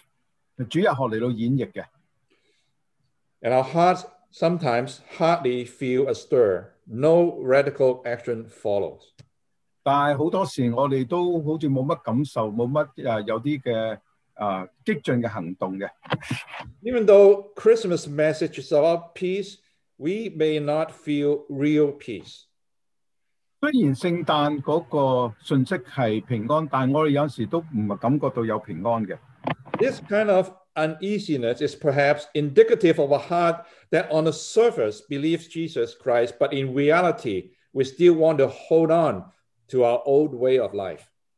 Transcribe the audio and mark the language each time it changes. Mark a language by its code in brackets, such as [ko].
[zh] 我们都看到,其实我们的小孩子是将这个圣诞节在主日学来演绎的。 [en] And our hearts sometimes hardly feel a stir. No radical action follows. [zh] 但很多时候我们都好像没什么感受,没什么激进的行动的。 [en] Even though Christmas message is about peace, we may not feel real peace. [zh] 虽然圣诞那个讯息是平安,但我们有时都不感觉到有平安的。 [en] This kind of uneasiness is perhaps indicative of a heart that on the surface believes Jesus Christ, but in reality, we still want to hold on to our old way of life.